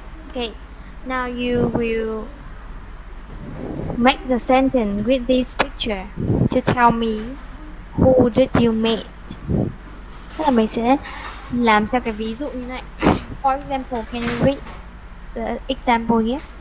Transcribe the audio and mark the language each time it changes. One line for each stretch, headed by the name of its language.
English: Okay, now you will make the sentence with this picture to tell me who did you meet.
Vietnamese: Thế là mình sẽ làm theo cái ví dụ như này.
English: For example, can you read the example here?